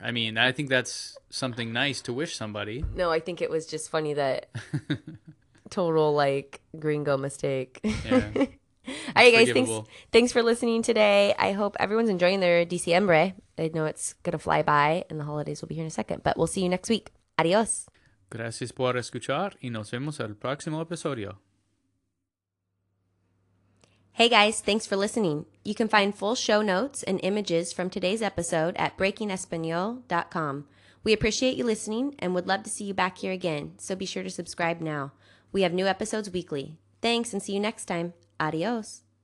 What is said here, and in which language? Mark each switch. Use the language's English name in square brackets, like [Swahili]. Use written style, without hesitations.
[English] I mean, I think that's something nice to wish somebody. No, I think it was just funny that total like gringo mistake. Yeah. All right, guys, thanks for listening today. I hope everyone's enjoying their diciembre. I know it's gonna fly by and the holidays will be here in a second, but we'll see you next week. [Spanish] Adios. Gracias por escuchar y nos vemos el próximo episodio. [English] Hey guys, thanks for listening. You can find full show notes and images from today's episode at breakingespanol.com. We appreciate you listening and would love to see you back here again, so be sure to subscribe now. We have new episodes weekly. Thanks and see you next time. Adios.